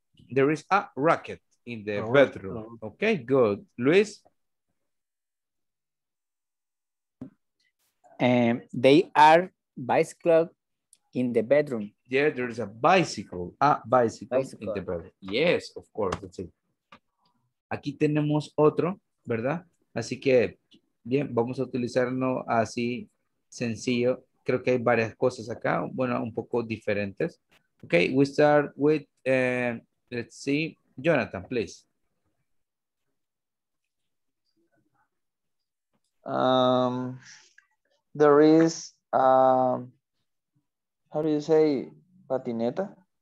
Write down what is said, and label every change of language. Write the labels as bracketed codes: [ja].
[en] There is a racket in the bedroom. Okay, good. Luis. They are bicycle in the bedroom. Yeah, there is a bicycle in the bedroom. Yes, of course. Let's see. [es] Aquí tenemos otro, ¿verdad? Así que bien, vamos a utilizarlo así sencillo. Creo que hay varias cosas acá, bueno, un poco diferentes. [en] Ok, we start with, let's see, Jonathan, please. There is, how do you say, patineta?